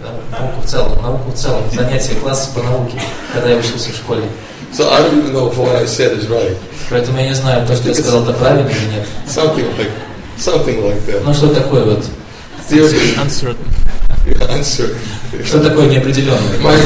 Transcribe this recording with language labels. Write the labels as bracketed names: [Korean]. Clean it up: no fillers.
[Russian] Науку в целом, занятия класса по науке, когда я учился в школе. [English] So I don't even know if what I said is right. [Russian] Поэтому я не знаю, то, что я сказал, это правильно или нет. [English] Something like Something like that. [Russian] Ну что такое вот? [English] Theory. Uncertain. Uncertain. [Russian] Что такое неопределённое?